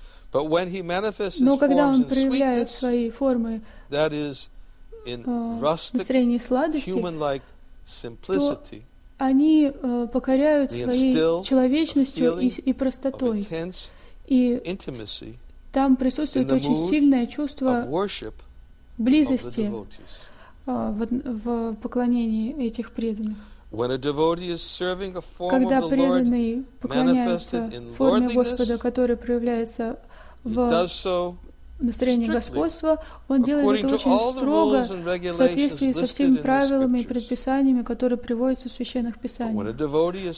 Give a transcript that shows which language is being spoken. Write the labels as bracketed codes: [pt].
[en] But when he manifests his forms in sweetness, that is, in rustic, human-like simplicity, [ru] они покоряют своей человечностью и простотой. [en] И intimacy, [ru] там присутствует очень сильное чувство близости в поклонении этих преданных. [en] When a devotee is serving a form of the Lord, manifested in lordliness, [ru] в настроении господства, он делает это очень строго в соответствии со всеми правилами и предписаниями, которые приводятся в священных писаниях.